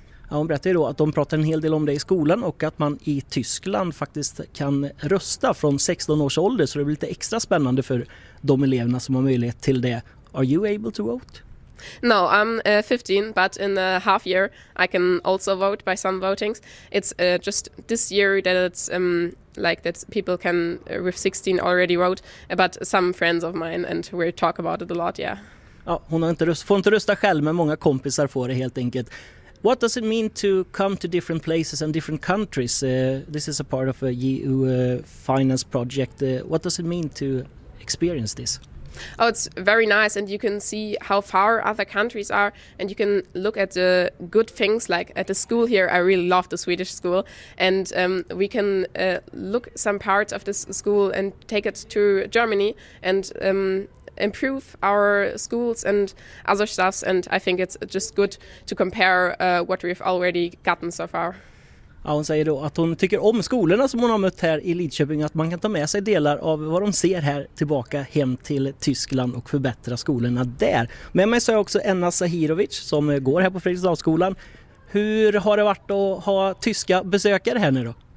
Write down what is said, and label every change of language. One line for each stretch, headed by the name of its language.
Swedish: Ja, hon berättade då att de pratar en hel del om det i skolan och att man i Tyskland faktiskt kan rösta från 16 års ålder, så det blir lite extra spännande för de eleverna som har möjlighet till det.
English: Are you able to vote? No, I'm 15, but in a half year I can also vote by some votings. It's just this year that it's like that people can with 16 already vote, but some friends of mine and we talk about it a lot, yeah.
Swedish: Ja, hon får inte rösta själv, men många kompisar får det helt enkelt.
English: What does it mean to come to different places and different countries? This is a part of a EU finance project. What does it mean to experience this? Oh, it's very nice, and you can see how far other countries are, and you can look at the good things, like at the school here. I really love the Swedish school, and we can look some parts of this school and take it to Germany and improve our schools and other stuff, and I think it's just good to compare what we've already gotten so far.
Swedish: Ja, hon säger då att hon tycker om skolorna som hon har mött här i Lidköping, att man kan ta med sig delar av vad de ser här tillbaka hem till Tyskland och förbättra skolorna där. Med mig så är också Enna Sahirovic som går här på Fredriksdalsskolan. Hur har det varit att ha tyska besökare här nu då?